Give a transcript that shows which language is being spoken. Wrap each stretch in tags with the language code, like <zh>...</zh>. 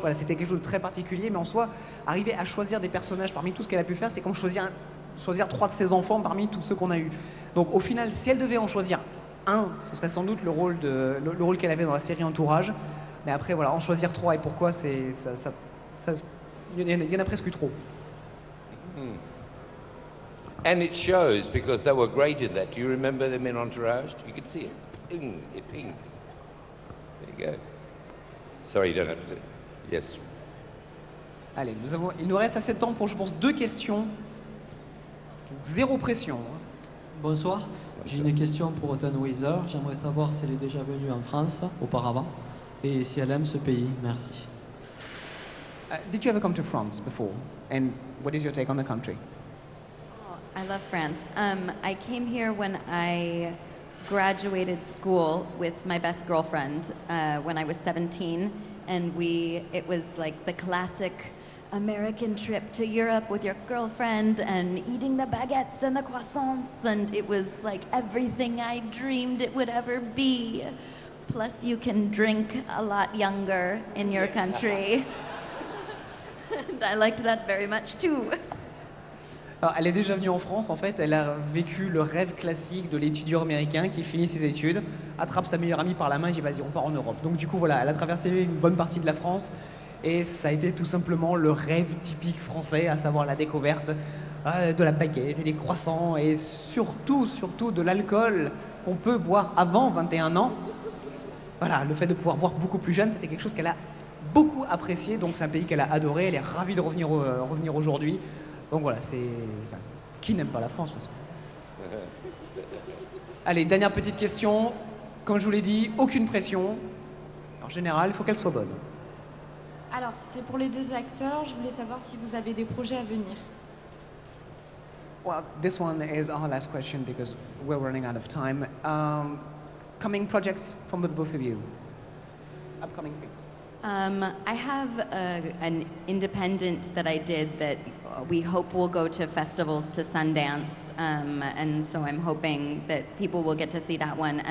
<fr>Voilà, c'était quelque chose de très particulier, mais en soi, arriver à choisir des personnages parmi tout ce qu'elle a pu faire, c'est comme choisir trois de ses enfants parmi tous ceux qu'on a eus. Donc au final, si elle devait en choisir un, ce serait sans doute le rôle qu'elle avait dans la série Entourage. Mais après, voilà, en choisir trois et pourquoi, il y en a presque eu trop.</fr> <en>And it shows because they were great in that. Do you remember them in Entourage? You could see it. Ping, it pings. There you go. Sorry, you don't have to. Yes.</en> <fr>Allez, il nous reste assez de temps pour, je pense, deux questions. Zéro pression. Bonsoir. J'ai une question pour Autumn Weiser. J'aimerais savoir si elle est déjà venue en France auparavant et si elle aime ce pays. Merci.</fr> <en>Did you ever come to France before? And what is your take on the country? I love France. I came here when I graduated school with my best girlfriend when I was 17, and it was like the classic American trip to Europe with your girlfriend and eating the baguettes and the croissants, and it was like everything I dreamed it would ever be. Plus, you can drink a lot younger in your country. And I liked that very much too.</en> <fr>Alors, elle est déjà venue en France, en fait, elle a vécu le rêve classique de l'étudiant américain qui finit ses études, attrape sa meilleure amie par la main et dit « vas-y, on part en Europe ». Donc du coup, voilà, elle a traversé une bonne partie de la France et ça a été tout simplement le rêve typique français, à savoir la découverte de la baguette et des croissants et surtout de l'alcool qu'on peut boire avant 21 ans. Voilà, le fait de pouvoir boire beaucoup plus jeune, c'était quelque chose qu'elle a beaucoup apprécié, donc c'est un pays qu'elle a adoré, elle est ravie de revenir aujourd'hui. Donc voilà, qui n'aime pas la France, en fait. Allez, dernière petite question. Comme je vous l'ai dit, aucune pression. En général, il faut qu'elle soit bonne. Alors, c'est pour les deux acteurs. Je voulais savoir si vous avez des projets à venir.</fr> <en>Well, this one is our last question because we're running out of time. Coming projects from the both of you. Upcoming things. I have an independent that I did that we hope will go to festivals, to Sundance, and so I'm hoping that people will get to see that one.</en>